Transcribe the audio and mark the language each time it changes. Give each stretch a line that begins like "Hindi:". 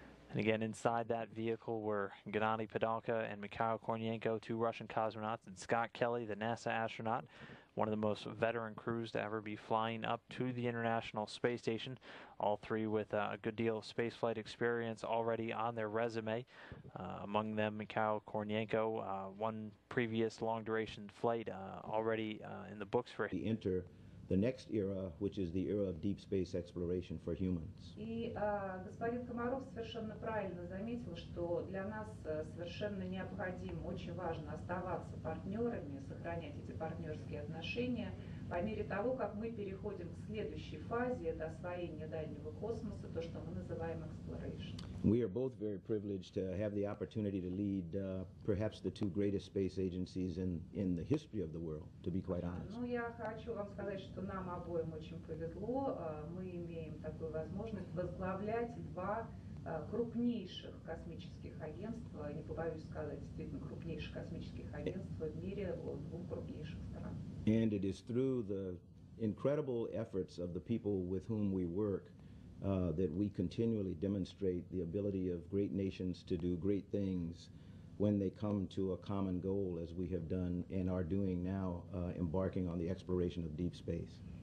English: And again, inside that vehicle were Gennady Padalka and Mikhail Korniyenko, two Russian cosmonauts, and Scott Kelly, the NASA astronaut, one of the most veteran crews to ever be flying up to the International Space Station, all three with a good deal of spaceflight experience already on their resume. Among them, Mikhail Korniyenko, one previous long-duration flight already in the books for him. Enter the next era, which is the era of deep space exploration for humans.
Russian: И господин Комаров совершенно правильно заметил, что для нас совершенно необходимо, очень важно оставаться партнерами, сохранять эти партнерские отношения в По мере того, как мы переходим к следующей фазе, это освоение дальнего космоса, то, что мы называем exploration.
English: We are both very privileged to have the opportunity to lead perhaps the two greatest space agencies in the history of the world, to be quite honest.
Russian: Ну, я хочу вам сказать, что нам обоим очень повезло. Мы имеем такую возможность возглавлять два крупнейших космических агентства, не побоюсь сказать, действительно, крупнейших космических агентств в мире, двух крупнейших стран.
English: And it is through the incredible efforts of the people with whom we work that we continually demonstrate the ability of great nations to do great things when they come to a common goal, as we have done and are doing now, embarking on the exploration of deep space.